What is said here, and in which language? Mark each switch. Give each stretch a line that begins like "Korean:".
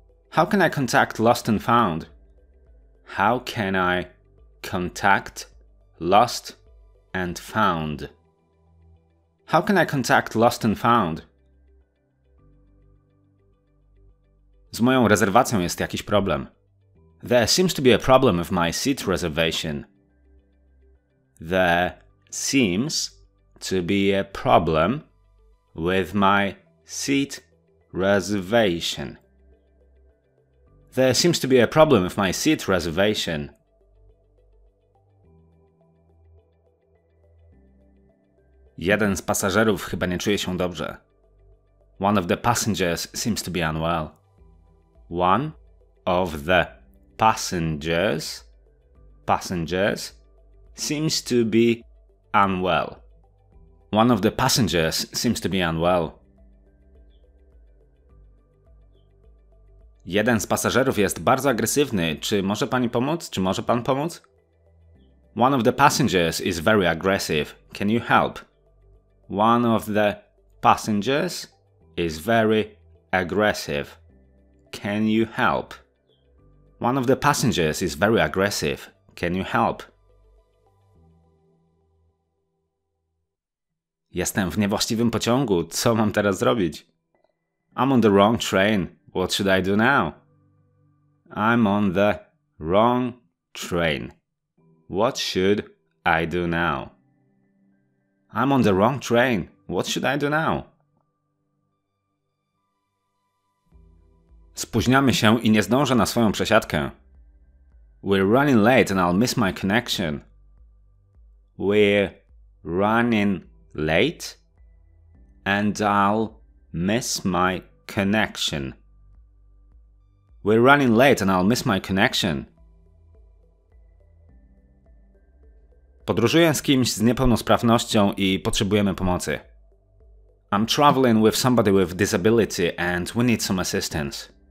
English: How can I contact lost and found? How can I contact lost and found? How can I contact lost and found?
Polish: Z moją rezerwacją jest jakiś problem.
English: There seems to be a problem with my seat reservation. There seems to be a problem with my seat reservation. There seems to be a problem with my seat reservation.
Polish: Jeden z pasażerów chyba nie czuje się dobrze.
English: One of the passengers seems to be unwell. One of the passengers seems to be unwell. One of the passengers seems to be unwell.
Polish: Jeden z pasażerów jest bardzo agresywny. Czy może pani pomóc? Czy może pan pomóc?
English: One of the passengers is very aggressive. Can you help? One of the passengers is very aggressive. Can you help? One of the passengers is very aggressive. Can you help?
Polish: Jestem w niewłaściwym pociągu. Co mam teraz zrobić?
English: I'm on the wrong train. What should I do now? I'm on the wrong train. What should I do now? I'm on the wrong train. What should I do now?
Polish: Spóźniamy się i nie zdążę na swoją przesiadkę.
English: We're running late and I'll miss my connection. We're running late and I'll miss my connection. We're running late and I'll miss my connection.
Polish: Podróżuję z kimś z niepełnosprawnością i potrzebujemy pomocy.
English: I'm traveling with somebody with disability and we need some assistance.